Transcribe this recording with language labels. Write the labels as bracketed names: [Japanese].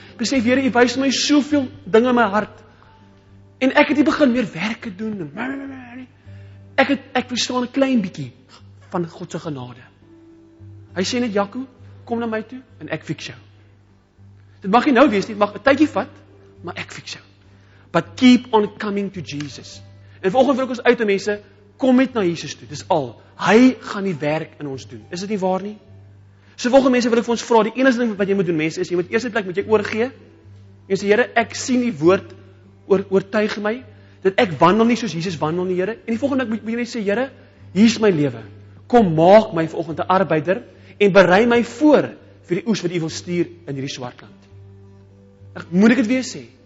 [Afrikaans] Ek sê Here, U wys my soveel dinge in my hart. En ek het nie begin meer werke doen en ek verstaan 'n klein bietjie van God se genade. Hy sê net, Jaco, kom na my toe en ek fix jou. Dit mag nie nou wees nie, dit mag 'n tydjie vat, maar ek fix jou. [English] But keep on coming to Jesus. [Afrikaans] En vanoggend wil ek ons uit te mense, kom net na Jesus toe. Dis al. Hy gaan die werk in ons doen. Is dit nie waar nie? So volgende mense wil ek vir ons vra, die enigste ding wat jy moet doen mense is jy moet eers net met jou oorgee. En sê Here, ek sien U woord oortuig my dat ek wandel nie soos Jesus wandel nie, Here. En die volgende ding moet jy net sê, Here, hier is my lewe. Kom maak my vanoggend 'n arbeider en berei my voor vir die oes wat U wil stuur in hierdie swart land. Ek moet dit weer sê.